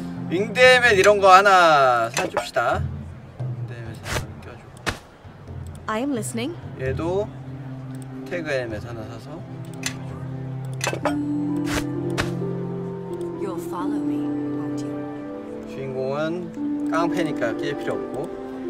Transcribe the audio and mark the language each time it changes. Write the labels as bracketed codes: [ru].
[ko] 윙드헬멧 이런 거 하나 사줍시다. 윙드헬멧 하나 껴주고 [en] I am listening. [ko] 얘도 태그 헬멧 하나 사서. [en] You'll follow me, won't you? [ko] 주인공은 깡패니까 낄 필요 없고.